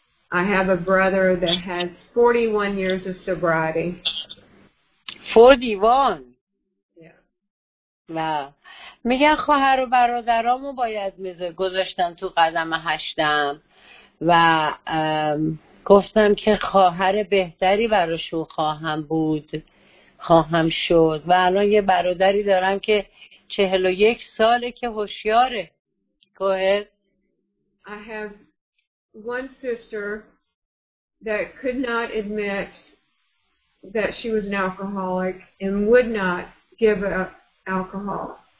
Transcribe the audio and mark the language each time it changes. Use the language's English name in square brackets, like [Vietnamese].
[English] I have a brother that has 41 years of sobriety. 41. Yeah. [Persian] و میگه خواهر و برادرامو باید میذ گذاشتن تو قدم هشتم و گفتم که خواهر بهتری براشون خواهم بود، خواهم شد، و الان یه برادری دارم که 41 ساله که هوشیاره. [English] Go ahead. I have one sister that could not admit that she was an alcoholic and would not give up alcohol.